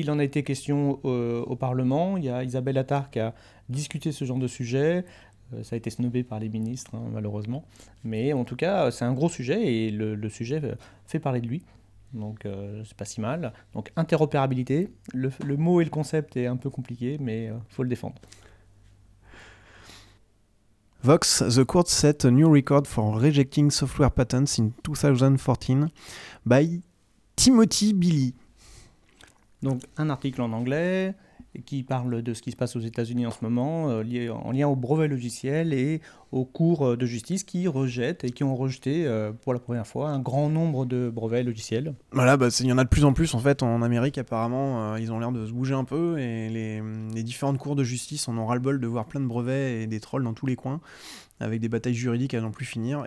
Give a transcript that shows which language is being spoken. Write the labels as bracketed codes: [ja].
[fr] Il en a été question au Parlement, il y a Isabelle Attard qui a discuté ce genre de sujet, ça a été snobé par les ministres hein, malheureusement, mais en tout cas c'est un gros sujet et le sujet fait parler de lui, donc c'est pas si mal. Donc interopérabilité, le mot et le concept est un peu compliqué, mais faut le défendre. [en] Vox, the court set a new record for rejecting software patents in 2014 by Timothy Billy. [fr] Donc, un article en anglais qui parle de ce qui se passe aux États-Unis en ce moment, en lien aux brevets logiciels et aux cours de justice qui rejettent et qui ont rejeté pour la première fois un grand nombre de brevets logiciels. Voilà, bah, il y en a de plus en plus en fait. En Amérique, apparemment, ils ont l'air de se bouger un peu et les différentes cours de justice en ont ras-le-bol de voir plein de brevets et des trolls dans tous les coins avec des batailles juridiques à n'en plus finir.